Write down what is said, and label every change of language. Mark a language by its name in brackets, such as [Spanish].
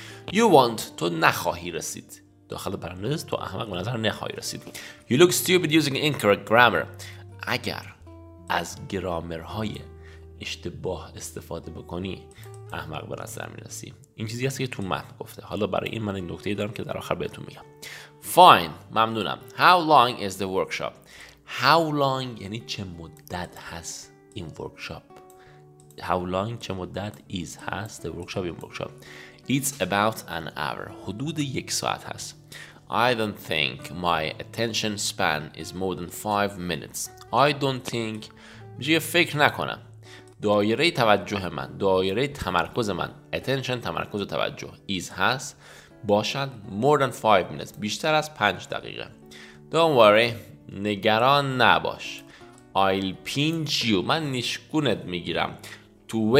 [English] You want، [Persian] تو نخواهی رسید. داخل پرانتز، تو احمق به نظر نخواهی رسید. [English] You look stupid using incorrect grammar. [Persian] اگر از گرامرهای اشتباه استفاده بکنی احمق به نظر میرسی. این چیزی هست که تو متن گفته. حالا برای این من این نکته‌ای دارم که در آخر بهتون میگم. Fine، ممنونم. [English] How long is the workshop؟ How long [Persian] یعنی چه مدت هست این ورکشاپ؟ [English] how long [Persian] چه مدت [English] is هست the workshop یا workshop it's about an hour [Persian] حدود یک ساعت هست [English] I don't think my attention span is more than 5 minutes I don't think [Persian] میشه یه فکر نکنم دایره توجه من دایره تمرکز من attention تمرکز و توجه is هست باشد [English] more than 5 minutes [Persian] بیشتر از 5 دقیقه [English] don't worry [Persian] نگران نباش [English] I'll pinch you [Persian] من نشکونت میگیرم to